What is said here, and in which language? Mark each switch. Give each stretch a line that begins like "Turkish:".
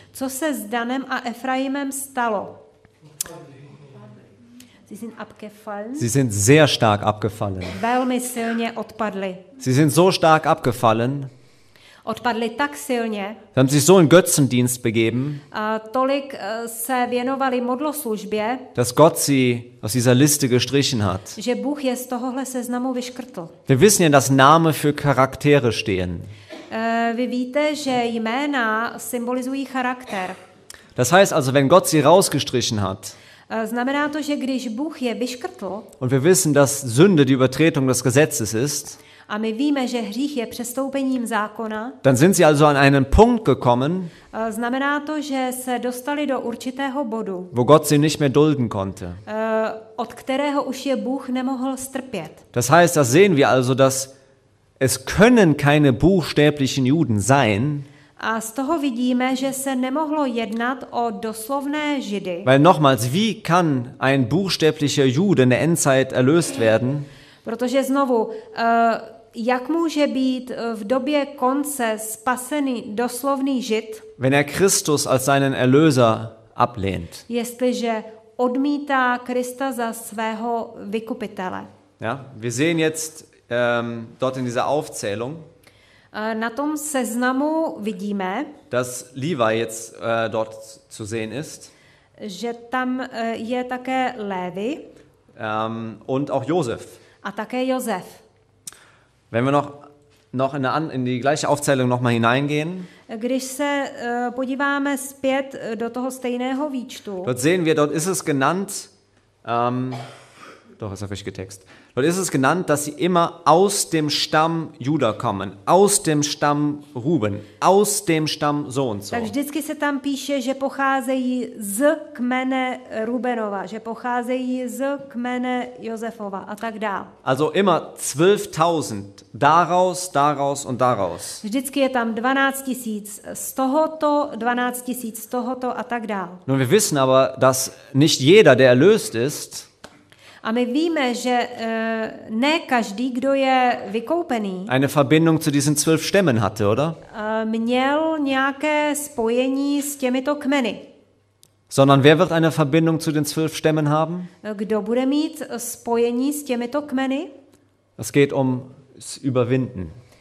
Czech: Co se s Danem a Ephraimem stalo?
German: Sie sind abgefallen. Sie sind sehr stark abgefallen.
Czech: Velmi silně odpadli.
German: Sie sind so stark abgefallen.
Czech: Odpadli tak silně.
German: Sie haben sich so in Götzendienst begeben.
Czech: Tolik se věnovali modloslužbě.
German: Dass Gott sie aus dieser Liste gestrichen hat.
Czech: Že Bůh je z tohohle seznamu vyškrtl.
German: Wir wissen ja, dass Namen für Charaktere stehen.
Czech: Vy víte, že jména symbolizují charakter.
German: Das heißt also, wenn Gott sie rausgestrichen hat.
Czech: Znamená to, že když Bůh je vyškrtl.
German: Und wir wissen, dass Sünde die Übertretung des Gesetzes ist.
Czech: A my víme, že hřích je přestoupením zákona.
German: Dann sind sie also an einen Punkt gekommen.
Czech: Znamená to, že se dostali do určitého bodu.
German: Wo Gott sie nicht mehr dulden konnte.
Czech: Od kterého už je Bůh nemohl strpět.
German: Das heißt, das sehen wir also, dass es können keine buchstäblichen Juden sein.
Czech: A z toho vidíme, že se nemohlo jednat o doslovné Židy.
German: Weil nochmals, wie kann ein buchstäblicher Jude in der Endzeit erlöst werden?
Czech: Protože znovu, jak může být v době konce spasený doslovný Žid?
German: Wenn er Christus als seinen Erlöser ablehnt.
Czech: Jestliže odmítá Krista za svého vykupitele.
German: Ja, wir sehen jetzt dort in dieser Aufzählung.
Czech: Na tom seznamu vidíme,
German: dass Levi jetzt dort zu sehen ist.
Czech: Že tam je také Lévi.
German: Und auch Josef.
Czech: A také Josef.
German: Wenn wir noch in die gleiche Aufzählung noch mal hineingehen.
Czech: Když se podíváme zpět do toho stejného výčtu.
German: Dort sehen wir, dort ist es genannt. Doch, ist ja falsch getext. Dort ist es genannt, dass sie immer aus dem Stamm Juda kommen, aus dem Stamm Ruben, aus dem Stamm so und so.
Czech: Tak vždycky se tam píše, že pocházejí z kmene Rubenova, že pocházejí z kmene Josefova a tak dále.
German: Also immer 12.000 daraus, daraus und daraus.
Czech: Vždycky je tam 12 000 z tohoto, 12 000 z tohoto a tak dále.
German: Nun, wir wissen aber, dass nicht jeder, der erlöst ist.
Czech: A my víme, že ne každý, kdo je vykoupený.
German: Eine Verbindung zu diesen 12 Stämmen hatte, oder?
Czech: Měl nějaké spojení s těmito kmeny.
German: Sondern wer wird eine Verbindung zu den 12 Stämmen haben?
Czech: Kdo bude mít spojení s těmito kmeny?
German: Es geht um das Überwinden.